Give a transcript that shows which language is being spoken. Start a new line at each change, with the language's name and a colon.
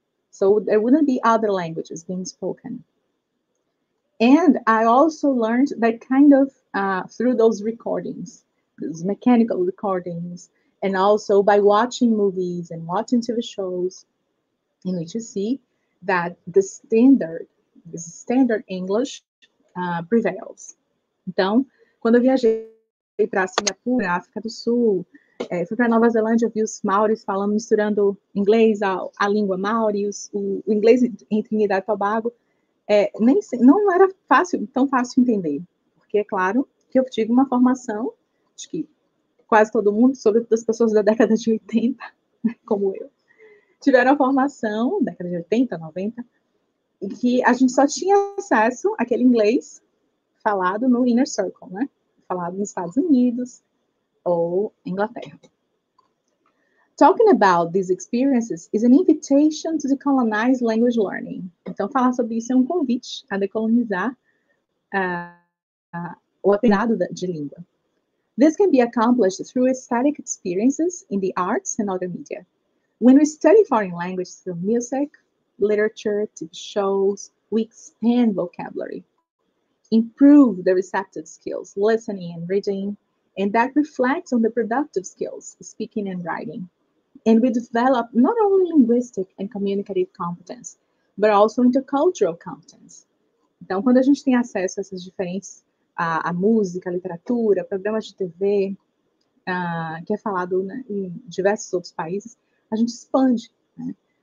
English: So there wouldn't be other languages being spoken. And I also learned that kind of through those recordings, those mechanical recordings and also by watching movies and watching TV shows, in which you see that the standard English prevails.
Portuguese: Então, quando eu viajei para Singapura, África do Sul, fui para Nova Zelândia, vi os maoris falando, misturando inglês à língua maori, o inglês em Trinidad e Tobago, não era tão fácil entender, porque é claro que eu tive uma formação, acho que quase todo mundo, sobretudo as pessoas da década de 80, como eu, tiveram a formação, década de 80, 90, em que a gente só tinha acesso àquele inglês falado no inner circle, né? Falado nos Estados Unidos ou Inglaterra.
English: Talking about these experiences is an invitation to decolonize language learning.
Portuguese: Então, falar sobre isso é um convite a decolonizar o aprendizado de língua.
English: This can be accomplished through aesthetic experiences in the arts and other media. When we study foreign languages through music, literature, TV shows, we expand vocabulary, improve the receptive skills, listening and reading, and that reflects on the productive skills, speaking and writing. And we develop not only linguistic and communicative competence, but also intercultural competence.
Portuguese: Então, quando a gente tem acesso a essas diferentes, a música, a literatura, programas de TV, que é falado, né, em diversos outros países, a gente expande, né?